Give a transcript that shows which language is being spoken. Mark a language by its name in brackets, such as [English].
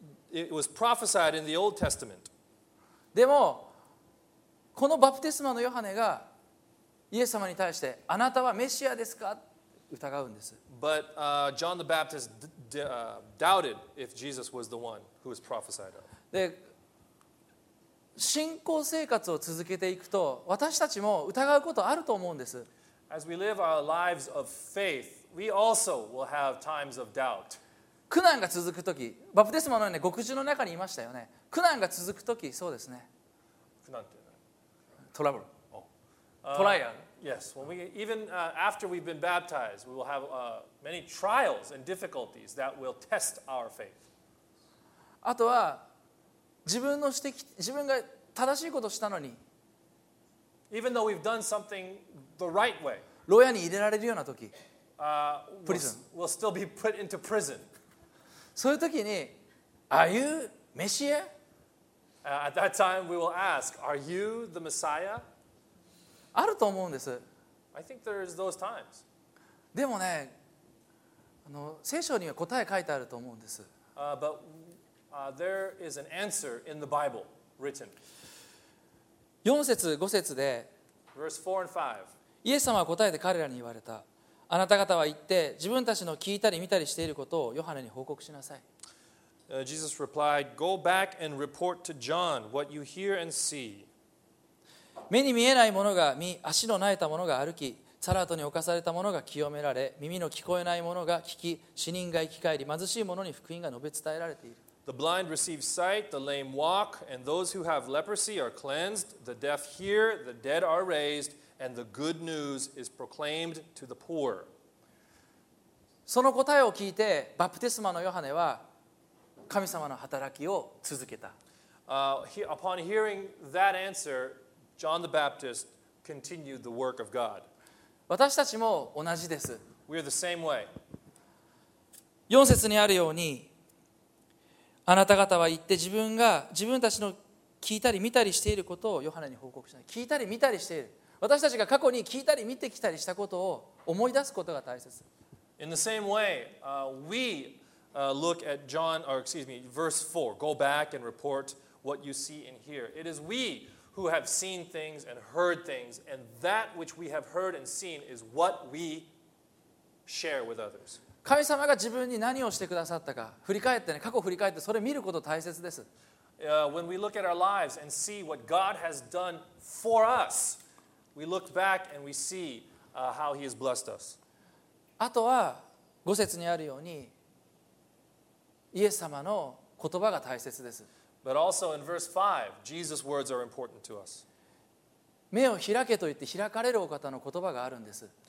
[English] It was prophesied in the Old Testament. [Japanese] でも、このバプテスマのヨハネがイエス様に対して、あなたはメシアですか? 疑うんです。 [English] But John the Baptist doubted if Jesus was the one who was prophesied of. [Japanese] で、信仰生活を続けていくと、私たちも疑うことあると思うんです。 [English] As we live our lives of faith, we also will have times of doubt. [Japanese] 苦難が続くとき、バプテスマのように獄中の中にいましたよね。苦難が続くとき、そうですね。苦難って何? トラブル。 [English] Oh. Trial. Yes. When we even after we've been baptized, we will have many trials and difficulties that will test our faith. [Japanese] あとは自分のしてき自分が正しいことをしたのに、 [English] even though we've done something the right way, [Japanese] 牢屋に入れられるような時、 [English] prison, we'll still be put into prison. [Japanese] そういう時に、 [English] Are you Messiah? At that time, we will ask, Are you the Messiah? [Japanese] あると思うんです。 [English] I think there is those times. [Japanese] でもね、聖書には答え書いてあると思うんです。 [English] But there is an answer in the Bible written. [Japanese] 4節5節で、 [English] Verse 4 and 5. [Japanese] イエス様は答えて彼らに言われた。あなた方は行って自分たちの聞いたり見たりしていることをヨハネに報告しなさい。 [English] Jesus replied, Go back and report to John what you hear and see. [Japanese] 目に見えないものが見、足のなえたものが歩き、サラートに侵されたものが清められ、耳の聞こえないものが聞き、死人が生き返り、貧しいものに福音が述べ伝えられている。 [English] The blind receive sight, the lame walk, and those who have leprosy are cleansed, the deaf hear, the dead are raised, and the good news is proclaimed to the poor. [Japanese] その答えを聞いて、バプテスマのヨハネは、神様の働きを続けた。 [English] Upon hearing that answer, John the Baptist continued the work of God. [Japanese] 私たちも同じです。 [English] We are the same way. [Japanese] 4節にあるように、あなた方は言って自分たちの聞いたり見たりしていることをヨハネに報告した。聞いたり見たりしている。私たちが過去に聞いたり見てきたりしたことを思い出すことが大切。 [English] In the same way, we look at John, or excuse me, verse 4. Go back and report what you see and hear. It is we who have seen things and heard things, and that which we have heard and seen is what we share with others. [Japanese] 神様が自分に何をしてくださったか、振り返ってね、過去振り返って、それを見ること大切です。 [English] When we look at our lives and see what God has done for us, we look back and we see how He has blessed us. [Japanese] あとは、5節にあるように、イエス様の言葉が大切です。 [English] But also in verse 5, Jesus' words are important to us. [Japanese] 目を開けと言って開かれるお方の言葉があるんです。